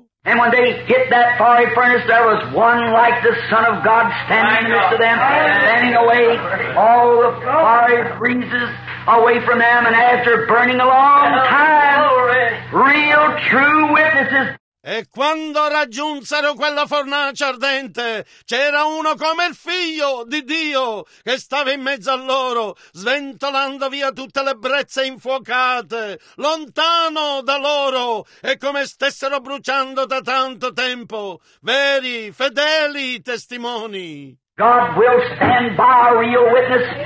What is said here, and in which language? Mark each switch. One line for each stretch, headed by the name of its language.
English: And when they hit that fiery furnace, there was one like the Son of God standing in the midst of them, fanning away all the fiery breezes away from them, and after burning a long time, real true witnesses.
Italian: E quando raggiunsero quella fornace ardente, c'era uno come il figlio di Dio che stava in mezzo a loro, sventolando via tutte le brezze infuocate, lontano da loro, e come stessero bruciando da tanto tempo, veri, fedeli testimoni.
English: God will stand by a real witness.